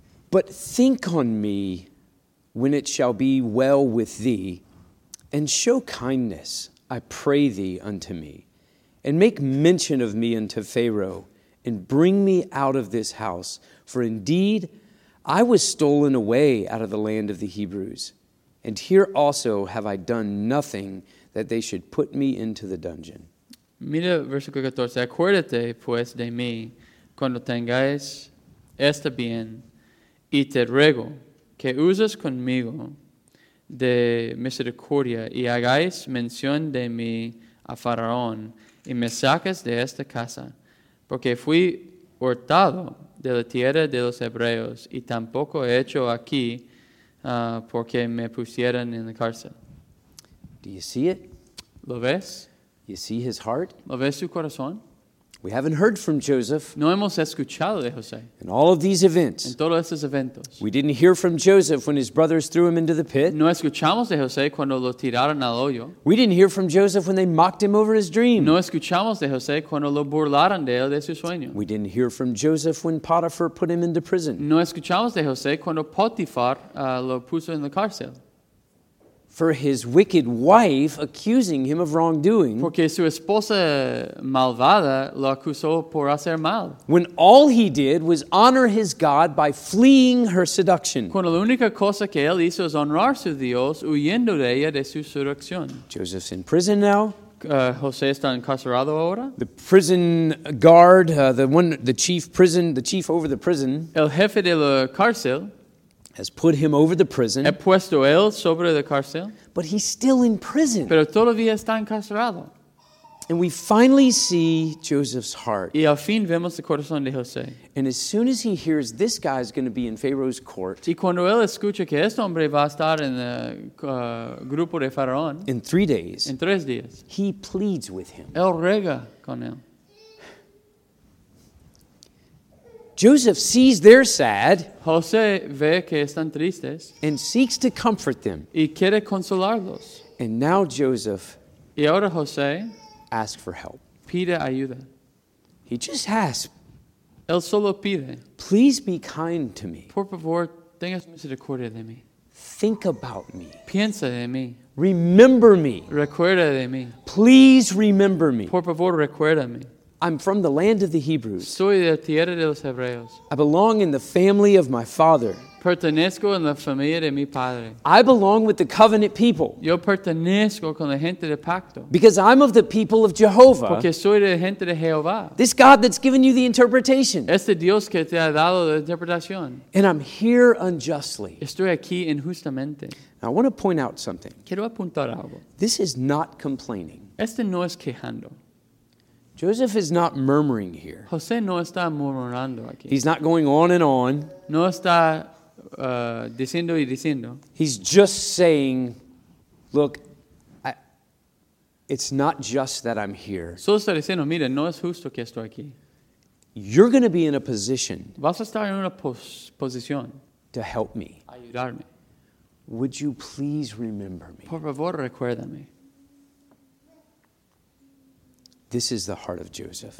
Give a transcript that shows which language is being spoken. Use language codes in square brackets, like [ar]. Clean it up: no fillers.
[en] But think on me when it shall be well with thee, and show kindness, I pray thee, unto me, and make mention of me unto Pharaoh, and bring me out of this house. For indeed, I was stolen away out of the land of the Hebrews, and here also have I done nothing that they should put me into the dungeon. [es] Mira versículo 14. Acuérdate, pues, de mí cuando tengáis este bien, y te ruego que uses conmigo de misericordia y hagáis mención de mí a Faraón y me saques de esta casa, porque fui hurtado de la tierra de los hebreos y tampoco he hecho aquí porque me pusieran en la cárcel. [en] Do you see it? [es] ¿Lo ves? [en] You see his heart? [es] ¿Lo ves su corazón? [en] We haven't heard from Joseph. [es] No hemos escuchado de José. [en] In all of these events. [es] En todos estos eventos. [en] We didn't hear from Joseph when his brothers threw him into the pit. [es] No escuchamos de José cuando lo tiraron al hoyo. [en] We didn't hear from Joseph when they mocked him over his dream. [es] No escuchamos de José cuando lo burlaron de él de su sueño. [en] We didn't hear from Joseph when Potiphar put him into prison. [es] No escuchamos de José cuando Potifar lo puso en la cárcel. [en] for his wicked wife accusing him of wrongdoing. [es] Porque su esposa malvada lo acusó por hacer mal. [en] When all he did was honor his God by fleeing her seduction. [es] Cuando la única cosa que él hizo es honrar su Dios huyendo de ella de su seducción. [en] Joseph's in prison now. [es] José está encarcelado ahora. [en] The prison guard, the chief over the prison. [es] El jefe de la cárcel. [en] Has put him over the prison. [es] He puesto él sobre la cárcel. [en] But he's still in prison. [es] Pero todavía está encarcelado. [en] And we finally see Joseph's heart. [es] Y al fin vemos el corazón de José. [en] And as soon as he hears this guy's going to be in Pharaoh's court. [es] Y cuando él escucha que este hombre va a estar en el grupo de Faraón. [en] In 3 days. [es] En 3 días. [en] He pleads with him. [es] Él ruega con él. [en] Joseph sees they're sad. [es] José ve que están tristes. [en] And seeks to comfort them. [es] Y quiere consolarlos. [en] And now Joseph. [es] Y ahora José. [en] Asks for help. [es] Pide ayuda. [en] He just asks. [es] Él solo pide. [en] Please be kind to me. [es] Por favor, tengas misericordia de mí. [en] Think about me. [es] Piensa de mí. [en] Remember me. [es] Recuerda de mí. [en] Please remember me. [es] Por favor, recuérdame. [en] I'm from the land of the Hebrews. [es] Soy de la tierra de los Hebreos. [en] I belong in the family of my father. [es] Pertenezco en la familia de mi padre. [en] I belong with the covenant people. [es] Yo pertenezco con la gente de pacto. [en] Because I'm of the people of Jehovah. [es] Porque soy de la gente de Jehová. [en] This God that's given you the interpretation. [es] Este Dios que te ha dado la interpretación. [en] And I'm here unjustly. [es] Estoy aquí injustamente. [en] Now, I want to point out something. [es] Quiero apuntar algo. [en] This is not complaining. [es] Este no es quejando. [en] Joseph is not murmuring here. [es] José no está murmurando aquí. [en] He's not going on and on. [es] No está diciendo y diciendo. [en] He's just saying, look, it's not just that I'm here. [es] Solo está diciendo, mira, no es justo que estoy aquí. [en] You're going to be in a position. [es] Vas a estar en una posición. [en] To help me. [es] Ayudarme. [en] Would you please remember me? [es] Por favor, recuérdame. [en] This is the heart of Joseph.